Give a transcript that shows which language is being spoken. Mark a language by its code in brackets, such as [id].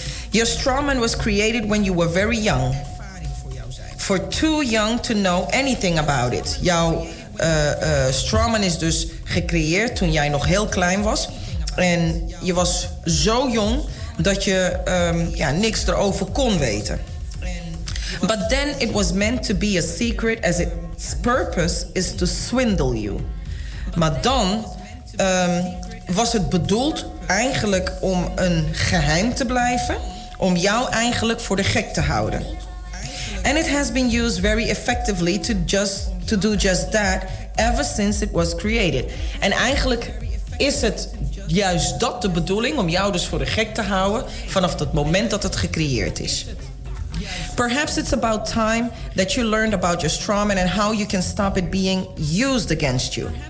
[en] Your strawman was created when you were very young. For too young to know anything about it. [nl] Jouw strawman is dus gecreëerd toen jij nog heel klein was. En je was zo jong dat je niks erover kon weten. [en] But then it was meant to be a secret as its purpose is to swindle you. [nl] Maar dan was het bedoeld eigenlijk om een geheim te blijven, om jou eigenlijk voor de gek te houden. [en] And it has been used very effectively to do just that ever since it was created. [nl] En eigenlijk is het juist dat de bedoeling, om jou dus voor de gek te houden vanaf het moment dat het gecreëerd is. [en] Perhaps it's about time that you learned about your strawman and how you can stop it being used against you.